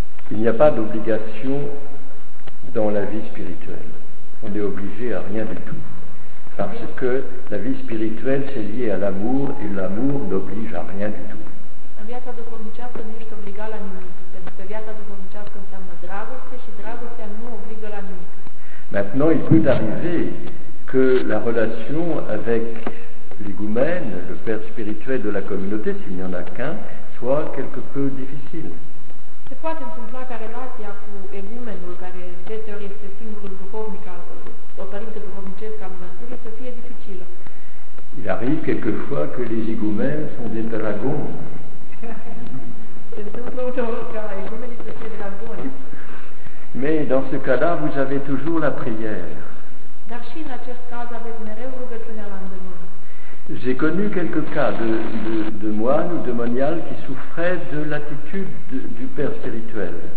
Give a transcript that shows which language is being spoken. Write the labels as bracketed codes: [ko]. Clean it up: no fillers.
[fr] Il n'y a pas d'obligation dans la vie spirituelle. On n'est obligé à rien du tout. Parce que la vie spirituelle, c'est lié à l'amour et l'amour n'oblige à rien du tout. [ro] În viața duhovnicească nu ești obligat la nimic, pentru că viața duhovnicească înseamnă dragoste și dragostea nu obligă la nimic. [fr] Maintenant, il peut arriver que la relation avec l'igoumène, le père spirituel de la communauté, s'il n'y en a qu'un, soit quelque peu difficile. [ro] Se poate întâmpla ca relația cu egumenul, care deseori este singurul duhovnic al o părinte duhovnicesc al mănăstirii, să fie dificilă. [fr] Il arrive quelquefois que les igoumènes sont des dragons. [ro] Se întâmplă uneori ca egumenii să fie dragoni. [fr] Mais dans ce cas-là, vous avez toujours la prière. [ro] Dar și în acest caz aveți mereu rugăciunea la îndemână. [fr] J'ai connu quelques cas de moines ou de moniales qui souffraient de l'attitude du père spirituel.